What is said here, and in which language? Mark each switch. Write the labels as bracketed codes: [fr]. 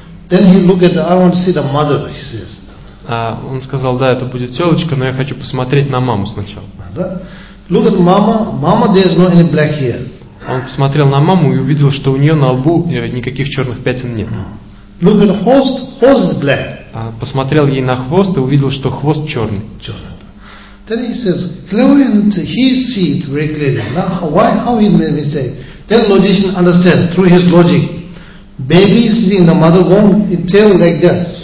[en] Then he look at the, I want to see the mother. He says. [ru] Он сказал, да, это будет телочка, но я хочу посмотреть на маму сначала. [en] Look at mama. Mama, there's not any black hair. [ru] Он посмотрел на маму и увидел, что у нее на лбу никаких черных пятен нет. [en] Look at host. Host is black. [ru] Посмотрел ей на хвост и увидел, что хвост черный. [en] Then he says, clairvoyant, he see it very clearly. Now, why? How he made me say? Then logician understand through his logic. Baby sitting in the mother womb, it tail like that.